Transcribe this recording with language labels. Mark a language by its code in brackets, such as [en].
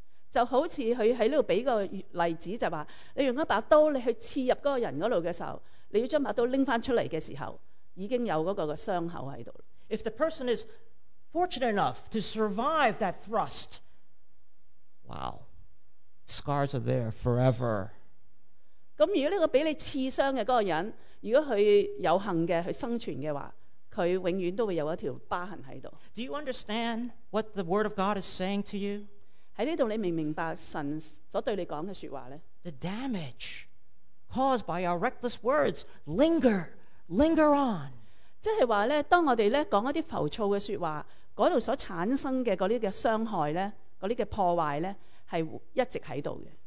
[yue] 就好似佢喺呢度俾个例子，就话你用一把刀你去刺入嗰个人嗰度嘅时候，你要将把刀拎翻出嚟嘅时候，已经有嗰个嘅伤口喺度。 [en] If the person is fortunate enough to survive that thrust, wow, scars are there forever. [yue] 咁如果呢个俾你刺伤嘅嗰个人，如果佢有幸嘅去生存嘅话，佢永远都会有一条疤痕喺度。 [en] Do you understand what the Word of God is saying to you？ [yue] 喺呢度你明唔明白神所对你讲嘅说话咧 [en] ？The damage caused by our reckless words linger, linger on。 [yue] 即系话咧，当我哋咧讲一啲浮躁嘅说话，嗰度所产生嘅嗰啲嘅伤害咧，嗰啲嘅破坏咧，系一直喺度嘅。